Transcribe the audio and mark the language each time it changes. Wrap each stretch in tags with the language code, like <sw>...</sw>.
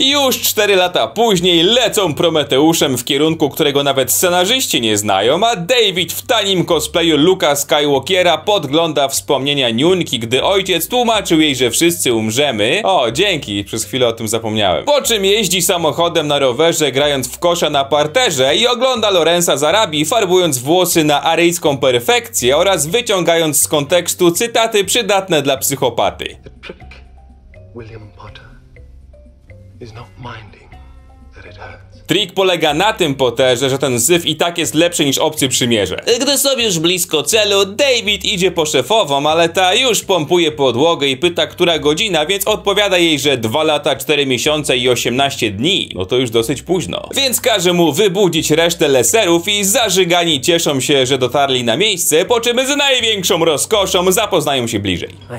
<pl>I już 4 lata później lecą Prometeuszem w kierunku, którego nawet scenarzyści nie znają, a David w tanim cosplayu Luke'a Skywalkera podgląda wspomnienia Niuńki, gdy ojciec tłumaczył jej, że wszyscy umrzemy. O, dzięki, przez chwilę o tym zapomniałem. Po czym jeździ samochodem na rowerze, grając w kosza na parterze i ogląda Lorenza Zarabi, farbując włosy na aryjską perfekcję oraz wyciągając z kontekstu cytaty przydatne dla psychopaty.</pl> <en>William Potter is not minding that it hurts.</en> <pl>Trik polega na tym, Potterze, że ten syf i tak jest lepszy niż obcy przymierze. Gdy sobie już blisko celu, David idzie po szefową, ale ta już pompuje podłogę i pyta, która godzina, więc odpowiada jej, że 2 lata, 4 miesiące i 18 dni. No to już dosyć późno. Więc każe mu wybudzić resztę leserów i zażygani cieszą się, że dotarli na miejsce, po czym z największą rozkoszą zapoznają się bliżej.</pl>